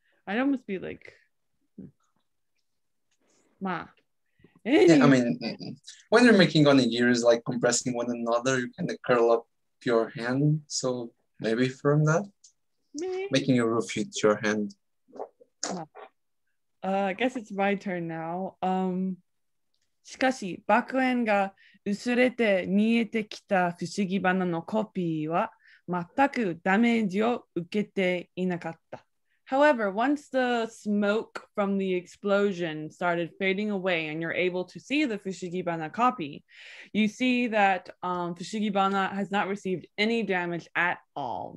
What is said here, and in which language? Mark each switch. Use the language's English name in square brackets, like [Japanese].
[English] I'd almost be like, ma. Anyway. Yeah, I mean, when you're making onigiri, like compressing one another, you kind of curl up your hand. So maybe from that, making a roof with your hand. I guess it's my turn now. [Japanese] しかし、爆炎が薄れて見えてきた不思議花のコピーは全くダメージを受けていなかった。 [English] However, once the smoke from the explosion started fading away and you're able to see the Fushigibana copy, you see that Fushigibana has not received any damage at all.